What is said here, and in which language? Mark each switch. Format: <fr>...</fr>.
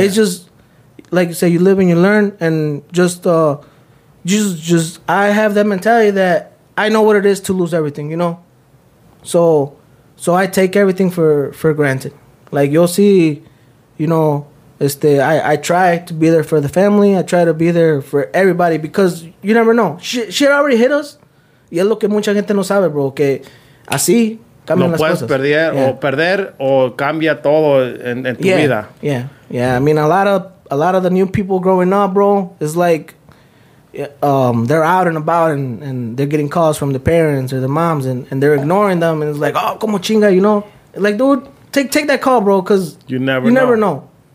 <en>It's just, like you say, you live and you learn. And just, I have that mentality that I know what it is to lose everything, you know? So I take everything for granted. Like, you'll see, you know. I try to be there for the family. I try to be there for everybody because you never know. Shit already hit us.</en> <es>Y es lo que mucha gente no sabe, bro, que así cambian no las cosas. No puedes perder, yeah, o perder o cambia todo en tu</es> <en>yeah</en> <es>vida.</es> <en>Yeah, yeah. I mean, a lot of the new people growing up, bro, it's like they're out and about and they're getting calls from the parents or the moms and they're ignoring them. And it's like, oh,</en> <es>como chinga,</es> <en>you know? Like, dude, take that call, bro, because you never know.</en>